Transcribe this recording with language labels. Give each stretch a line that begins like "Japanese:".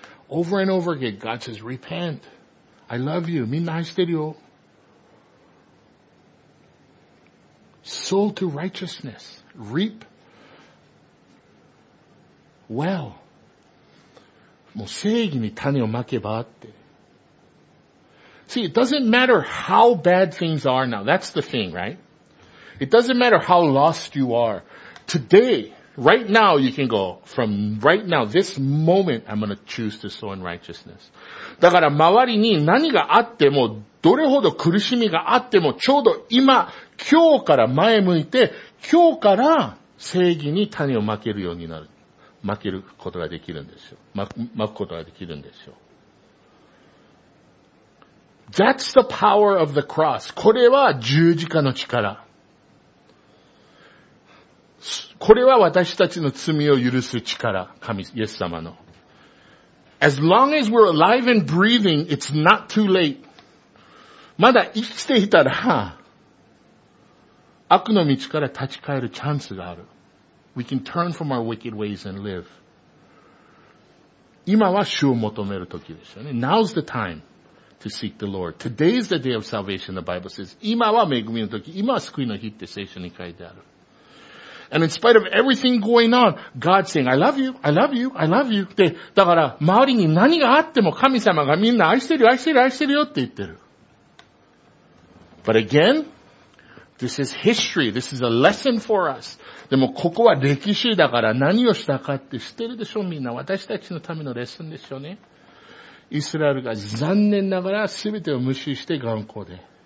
English: Over and over again, God says, repent. I love you.
Japanese: みんな愛してるよ。
English: Sow to righteousness. Reap well.
Japanese: もう正義に種をまけばって。
English: See, it doesn't matter how bad things are now. That's the thing, right? It doesn't matter how lost you are. Today, right now, you can go from right now, this moment, I'm going to choose to sow in righteousness.
Japanese: だから周りに何があっても、どれほど苦しみがあっても、ちょうど今、今日から前向いて、今日から正義に種をまけるようになる。まけることができるんですよ。まくことができるんですよ。
English: That's the power of the cross.
Japanese: これは十字架の力。これは私たちの罪を許す力。神、イエス様の。
English: As long as we're alive and breathing, it's not too late.
Japanese: まだ生きていたら、悪の道から立ち返るチャンスがある。
English: We can turn from our wicked ways and live.
Japanese: 今は主を求める時ですよね。
English: Now's the time. To seek the Lord. Today is the day of salvation, the Bible says.
Japanese: 今は恵みの時、今は救いの日って聖書に書いてある。
English: And in spite of everything going on, God saying, I love you, I love you, I love you.
Japanese: で、だから周りに何があっても神様がみんな愛してる、愛してる、愛してるよって言ってる。
English: But again, this is history. This is a lesson for us.
Japanese: でもここは歴史だから何をしたかって知ってるでしょ、みんな。私たちのためのレッスンですよね。イスラエルが残念ながら全てを無視して頑固で。